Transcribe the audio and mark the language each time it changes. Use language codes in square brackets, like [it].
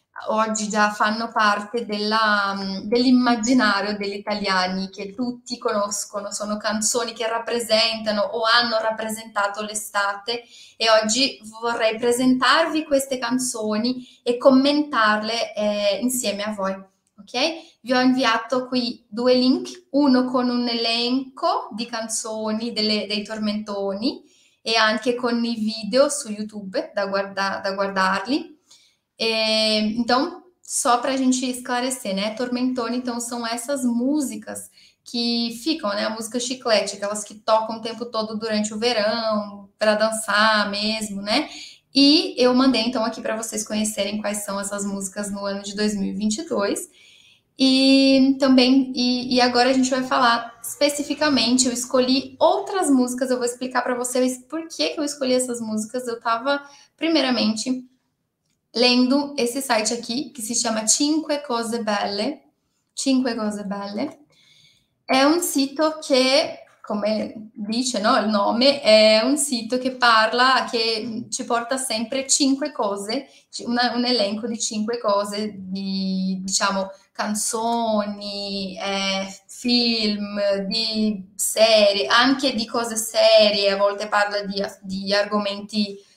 [it] oggi già fanno parte dell'immaginario degli italiani che tutti conoscono, sono canzoni che rappresentano o hanno rappresentato l'estate e oggi vorrei presentarvi queste canzoni e commentarle insieme a voi. Ok? Vi ho inviato qui due link, uno con un elenco di canzoni dei tormentoni e anche con i video su YouTube da guardarli. [pt] Então, só para a gente esclarecer, né? Tormentoni, então, são essas músicas que ficam, né? A música chiclete, aquelas que tocam o tempo todo durante o verão, para dançar mesmo, né? E eu mandei, então, aqui para vocês conhecerem quais são essas músicas no ano de 2022. E também, e agora a gente vai falar especificamente. Eu escolhi outras músicas, eu vou explicar para vocês por que que eu escolhi essas músicas. Eu estava, primeiramente, lendo esse site aqui, que se chama Cinque Cose Belle. Cinque Cose Belle. [it] È un sito che, come dice, no, il nome, è un sito che parla, che ci porta sempre cinque cose, un elenco di cinque cose, di, diciamo, canzoni, film, di serie, anche di cose serie, a volte parla di argomenti